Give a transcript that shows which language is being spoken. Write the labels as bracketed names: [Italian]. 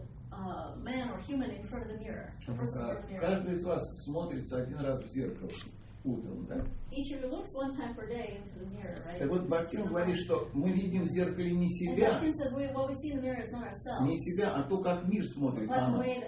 [Russian] Каждый из вас смотрится один раз в зеркало. Утром, да? [English] Each of you looks one time per day into the mirror, right? [Russian] Так вот, Бахтин говорит, что мы видим в зеркале не себя, не себя, а то, как мир смотрит на нас.